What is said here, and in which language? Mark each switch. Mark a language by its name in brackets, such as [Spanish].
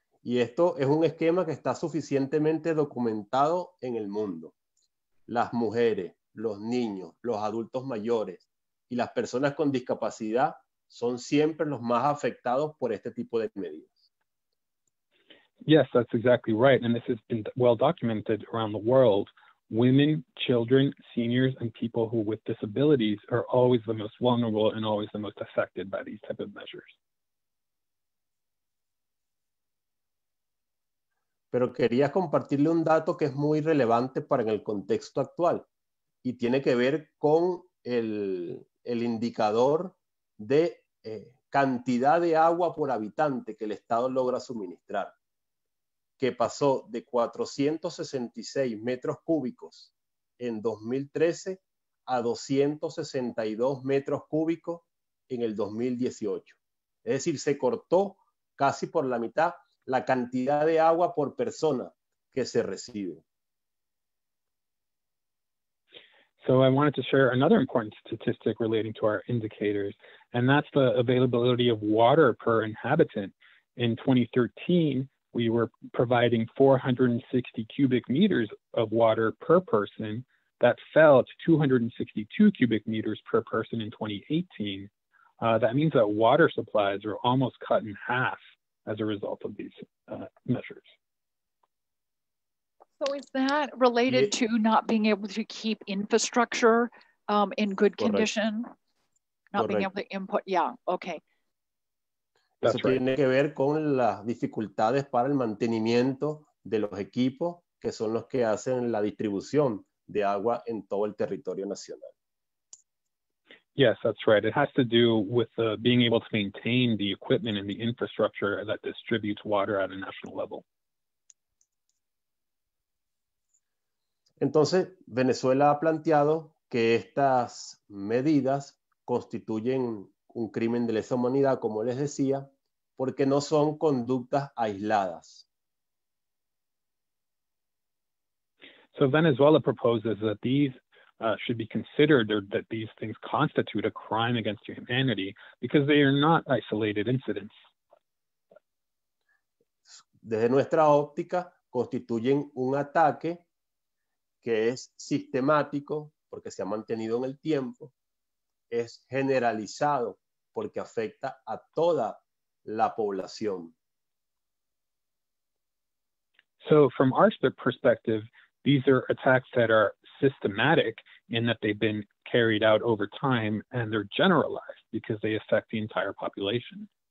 [Spanish] Y esto es un esquema que está suficientemente documentado en el mundo. Las mujeres, los niños, los adultos mayores y las personas con discapacidad son siempre los más afectados por este tipo de medidas. [English] Yes, that's exactly right. And this has been well documented around the world. Women, children, seniors, and people who with disabilities are always the most vulnerable and always the most affected by these type of measures. [Spanish] Pero quería compartirle un dato que es muy relevante para el contexto actual y tiene que ver con el indicador de cantidad de agua por habitante que el Estado logra suministrar, que pasó de 466 metros cúbicos en 2013 a 262 metros cúbicos en el 2018. Es decir, se cortó casi por la mitad la cantidad de agua por persona que se recibe. [English] So I wanted to share another important statistic relating to our indicators, and that's the availability of water per inhabitant. In 2013, we were providing 460 cubic meters of water per person. That fell to 262 cubic meters per person in 2018. That means that water supplies are almost cut in half as a result of these measures. So is that related to not being able to keep infrastructure in good condition? Correct. Not being able to input, yeah, okay. [Spanish] Eso [English] That's [Spanish] tiene [English] right. [Spanish] que ver con las dificultades para el mantenimiento de los equipos que son los que hacen la distribución de agua en todo el territorio nacional. [English] Yes, that's right. It has to do with being able to maintain the equipment and the infrastructure that distributes water at a national level. [Spanish] Entonces, Venezuela ha planteado que estas medidas constituyen un crimen de lesa humanidad, como les decía, porque no son conductas aisladas. [English] So Venezuela proposes that these should be considered, or that these things constitute a crime against humanity because they are not isolated incidents. [Spanish] Desde nuestra óptica, constituyen un ataque que es sistemático porque se ha mantenido en el tiempo, es generalizado porque afecta a toda la población. [English] So from our perspective, these are attacks that are systematic in that they've been carried out over time and they're generalized because they affect the entire population.